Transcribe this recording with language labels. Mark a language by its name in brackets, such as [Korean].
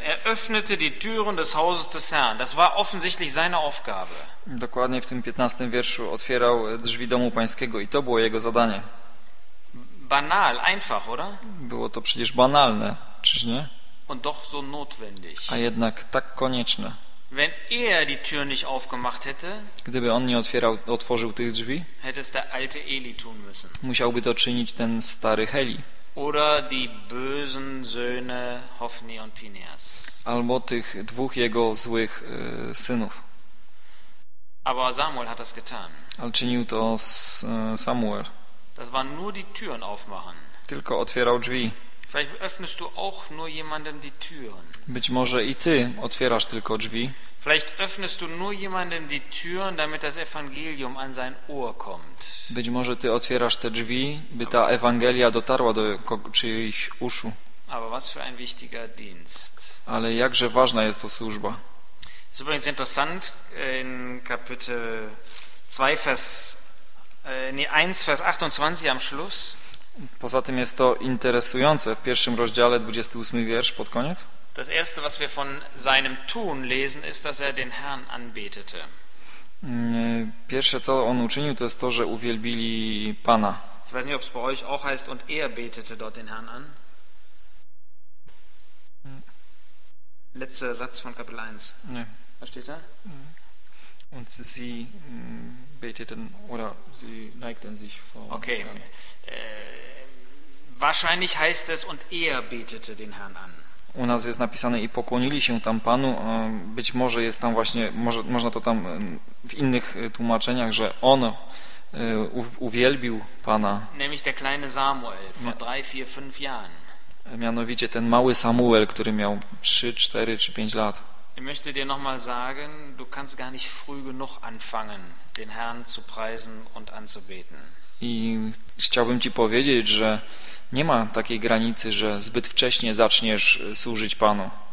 [German] Er öffnete die Türen des Hauses des Herrn. Das war offensichtlich seine Aufgabe. [Polish] Dokładnie w tym 15. Wierszu otwierał drzwi domu pańskiego i to było jego zadanie. [German] Banal, einfach, oder? [Polish] Było to przecież banalne, czyż nie? [German] Und doch so notwendig. [Polish] A jednak tak konieczne. [German] Wenn er die Tür nicht aufgemacht hätte, [Polish] gdyby on nie otwierał, otworzył tych drzwi, [German] hätte es der alte Eli tun müssen. [Polish] Musiałby to czynić ten stary Heli. [German] Oder die bösen Söhne Hophni und Phineas. [Polish] Albo tych dwóch jego złych synów. [German] Aber Samuel hat das getan. [Polish] Ale czynił to Samuel. [German] Das war nur die Türen aufmachen. [Polish] Tylko otwierał drzwi. [German] Vielleicht öffnest du auch nur jemandem die Türen. [Polish] Być może i ty otwierasz tylko drzwi. [German] Vielleicht öffnest du nur jemandem die Türen, damit das Evangelium an sein Ohr kommt. [Polish] Być może ty otwierasz te drzwi, by ta Ewangelia dotarła do czyjejś uszu. [German] Aber was für ein wichtiger Dienst. [Polish] Ale jakże ważna jest to służba. [German] Es ist übrigens interessant, in Kapitel 2, Vers 1, Vers 28 am Schluss. [Polish] Poza tym jest to interesujące w pierwszym rozdziale 28 wiersz pod koniec. [German] Das erste, was wir von seinem Tun lesen, ist, dass er den Herrn anbetete. [Polish] Pierwsze, co on uczynił, to jest to, że uwielbili Pana. [German] Ich weiß nicht, ob es bei euch auch heißt, und er betete dort den Herrn an. Letzter Satz von Kapitel 1. Nee. Was steht da? Und sie beteten, oder sie neigten sich vor. Okay. Wahrscheinlich heißt es, und er betete den Herrn an. [Polish] U nas jest napisane i pokłonili się tam Panu. Być może jest tam właśnie, może, można to tam w innych tłumaczeniach, że on uwielbił Pana. [German] Nämlich der kleine Samuel vor 3, 4, 5 Jahren. [Polish] Mianowicie ten mały Samuel, który miał 3, 4 czy 5 lat. [German] Ich möchte dir nochmal sagen, du kannst gar nicht früh genug anfangen, den Herrn zu preisen und anzubeten. [Polish] I chciałbym ci powiedzieć, że nie ma takiej granicy, że zbyt wcześnie zaczniesz służyć Panu.